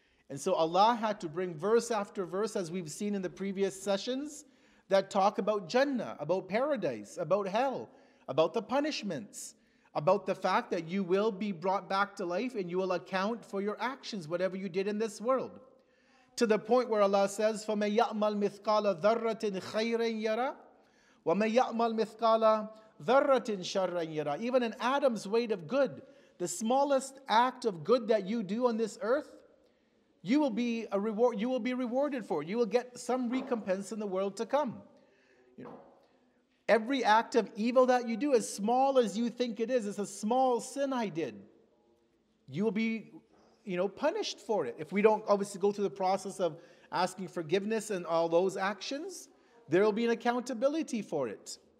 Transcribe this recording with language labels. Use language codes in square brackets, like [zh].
[en] And so Allah had to bring verse after verse, as we've seen in the previous sessions, that talk about Jannah, about paradise, about hell, about the punishments, about the fact that you will be brought back to life and you will account for your actions, whatever you did in this world. To the point where Allah says, [ar] فَمَنْ يَأْمَلْ مِثْقَالَ ذَرَّةٍ خَيْرًا يَرَى وَمَنْ يَأْمَلْ مِثْقَالَ ذَرَّةٍ شَرًّا يَرَى. [en] Even an atom's weight of good, the smallest act of good that you do on this earth, you will be rewarded for it. You will get some recompense in the world to come. Every act of evil that you do, as small as you think it is, it's a small sin I did, you will be, punished for it. If we don't obviously go through the process of asking forgiveness and all those actions, there will be an accountability for it.